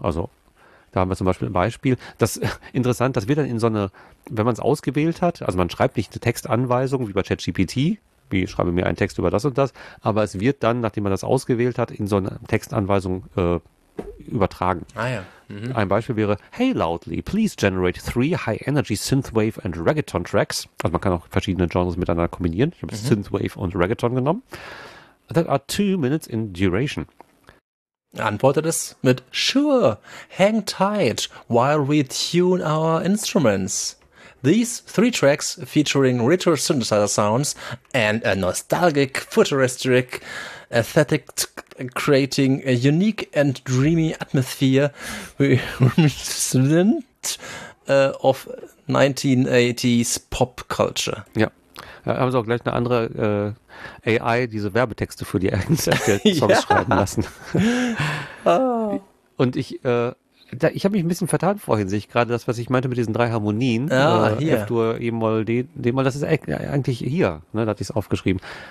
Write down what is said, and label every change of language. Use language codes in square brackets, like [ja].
[de] Also da haben wir zum Beispiel ein Beispiel. Das ist interessant, dass wir dann in so eine, wenn man es ausgewählt hat, also man schreibt nicht eine Textanweisung wie bei ChatGPT, wie schreibe mir einen Text über das und das, aber es wird dann, nachdem man das ausgewählt hat, in so eine Textanweisung übertragen. Ah ja. [en] Mhm. [de] Ein Beispiel wäre, [en] hey Loudly, please generate 3 high energy Synthwave and Reggaeton Tracks. [de] Also man kann auch verschiedene Genres miteinander kombinieren. Ich habe Synthwave und Reggaeton genommen. [en] That are 2 minutes in duration. [de] Antwortet es mit [en] sure, hang tight while we tune our instruments. These 3 tracks featuring retro synthesizer sounds and a nostalgic futuristic aesthetic creating a unique and dreamy atmosphere reminiscent of 1980s pop culture. [de] Ja, haben sie auch gleich eine andere AI, diese Werbetexte für die Songs schreiben lassen. Oh. Und ich habe mich ein bisschen vertan vorhin, sehe ich gerade das, was ich meinte mit diesen 3 Harmonien. F-Dur, E-Moll, D-Moll, das ist eigentlich hier, ne, da hatte ich es aufgeschrieben.